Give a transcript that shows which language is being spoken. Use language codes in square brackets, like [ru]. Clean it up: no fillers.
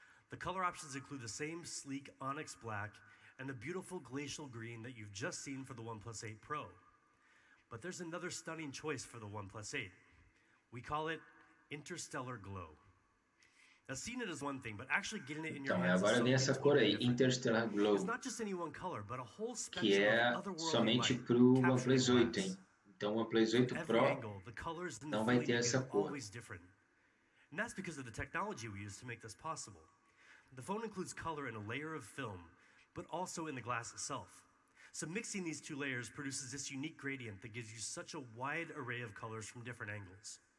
[en] The color options include the same sleek onyx black and the beautiful glacial green that you've just seen for the OnePlus 8 Pro. But there's another stunning choice for the OnePlus 8. We call it Interstellar Glow. Now, seeing it is one thing, but actually getting it in your hands is something totally [pt] cor aí, [en] Interstellar Glow. It's not just any one color, but a whole spectrum of otherworldly light. [pt] Então, OnePlus 8 Pro não vai ter essa cor. [en] And that's because of the technology we use to make this possible. The phone includes color in a layer of film, but also in the glass itself. So mixing these two layers produces this unique gradient that gives you such a wide array of colors from different angles.